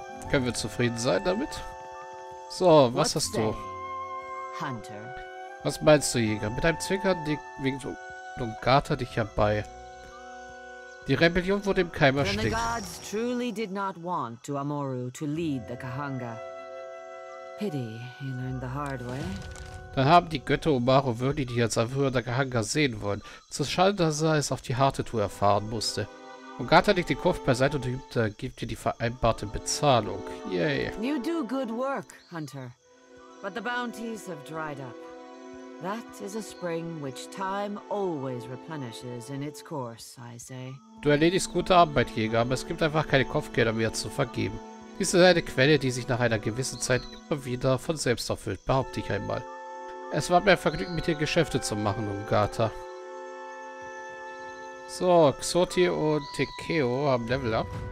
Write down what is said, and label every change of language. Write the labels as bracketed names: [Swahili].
[German] Können wir zufrieden sein damit? So, was hast du? [English] Hunter. [German] Was meinst du, Jäger? Mit einem zwinkernden Blick winkt Dungata dich herbei. Die Rebellion wurde im Keim erstickt. [English] The gods truly did not want Tuamoru to lead the Kahanga. Pity, he learned the hard way. [German] Dann haben die Götter Umaru wirklich dich als Anführer der Kahanga sehen wollen. Es ist schade, dass er es auf die harte Tour erfahren musste. Dungata legt den Kopf beiseite und gibt dir die vereinbarte Bezahlung. Yay. [English] You do good work, Hunter. But the bounties have dried up. That is a spring which time always replenishes in its course, I say. [German] Du erledigst gute Arbeit, Jäger, aber es gibt einfach keine Kopfgelder mehr zu vergeben. Dies ist eine Quelle, die sich nach einer gewissen Zeit immer wieder von selbst erfüllt, behaupte ich einmal. Es war mir ein Vergnügen, mit dir Geschäfte zu machen, Dungata. So, Xoti und Tekeo haben Level Up.